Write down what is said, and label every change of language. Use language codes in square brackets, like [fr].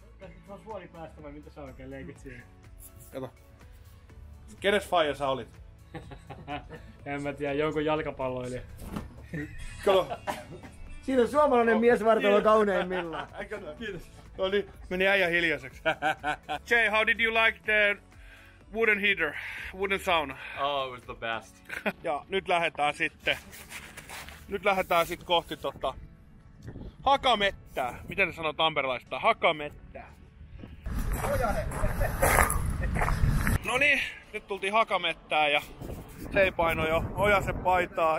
[fi] Tässä on suoli päästävä, mitä sä oikein leikit siihen. Kato. Kenes faija sä olit? En mä tiedä, jonkun jalkapalloilija. Kato. Siinä on suomalainen no, mies vartalo kauneimmillaan. Kiitos. No niin, meni äijä hiljaiseksi. [en] Jay, how did you like the wooden heater, wooden sauna? Oh, it was the best. [fi] Ja nyt lähdetään sitten. Nyt lähdetään sitten kohti tota hakamettää. Miten ne sanoo tamperelaista? Hakamettää. No niin, nyt tultiin hakamettää ja hei paino jo Ojasen paitaa.